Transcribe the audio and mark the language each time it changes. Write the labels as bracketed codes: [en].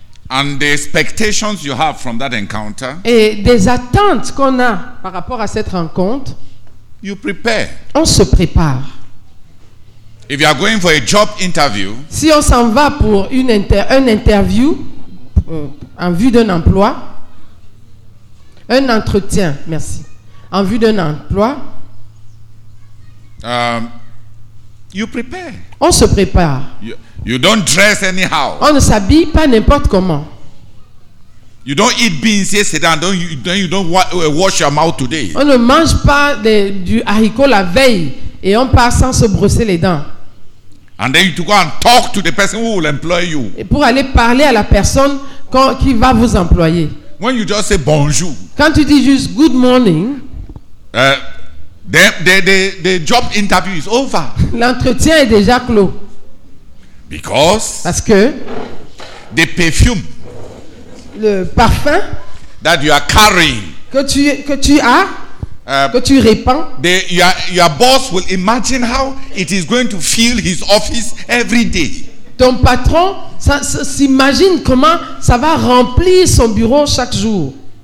[en] and the expectations you have from that encounter, [fr] et des attentes qu'on a par rapport à cette rencontre, [en] you prepare. [fr] On se prépare. [en] If you are going for a job interview, [fr] si on s'en va pour une interview en vue d'un emploi, un entretien, merci, en vue d'un emploi, [en] you prepare. [fr] On se prépare. [en] You don't dress anyhow. [fr] On ne s'habille pas n'importe comment. [en] You don't eat beans yesterday, and you don't wash your mouth today. [fr] On ne mange pas du haricot la veille et on part sans se brosser les dents. [en] And then you go and talk to the person who will employ you. [fr] Et pour aller parler à la personne qui va vous employer. [en] When you just say [fr] bonjour. Quand tu dis juste [en] good morning. The job interview is over. [fr] L'entretien est déjà clos. [en] Because. [fr] Parce que. [en] The perfume. [fr] Le parfum. [en] That you are carrying. [fr] Que tu as. Que tu répands. [en] Your boss will imagine how it is going to fill his office every day. [fr] Ton patron s'imagine comment ça va remplir son bureau chaque jour.